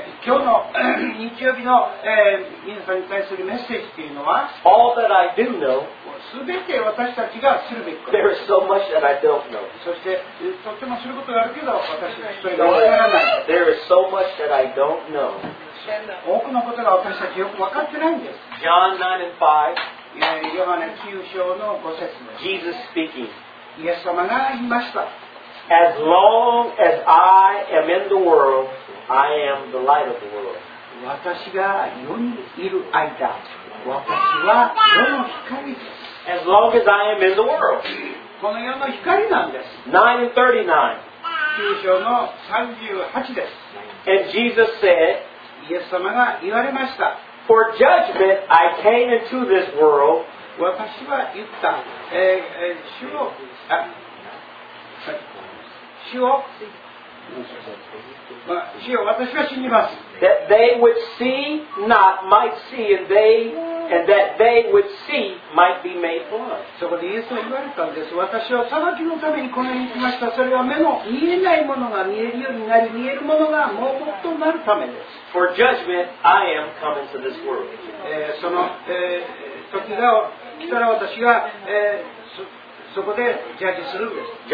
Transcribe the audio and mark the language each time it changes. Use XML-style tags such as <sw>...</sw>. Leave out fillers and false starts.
<en>All that I do know, there is so much that I don't know. There is so much that I don't know.</en> <ja>多くのことが私たちよく分かってないんです。</ja> <en>John 9 and 5,</en> <ja>ヨハネ9章の5節です。</ja> <en>Jesus speaking.</en> <ja>イエス様が言いました。</ja> <en>As long as I am in the world, I am the light of the world.</en> <ja>私が世にいる間、私は世の光です。</ja> <en>As long as I am in the world.</en> <ja>この世の光なんです。</ja> <en>9 and 39.</en> <ja>9章の38です。</ja> <en>And Jesus said,</en> <ja>イエス様が言われました。</ja> <en>For judgment I came into this world.</en> <ja>私は言った。主を、主を、まあ、主よ私は死にます。</ja> <en>That they which see not might see, and they, and that they which see might be made blind.</en> <ja>そこでイエスは言われたんです。私は裁きのためにこの世に来ました。それは目の見えないものが見えるようになり、見えるものが盲目となるためです。</ja> <en>For judgment, I am coming to this world.</en> <ja>その、時が来たら私が、そこでジャッジするんです。</ja>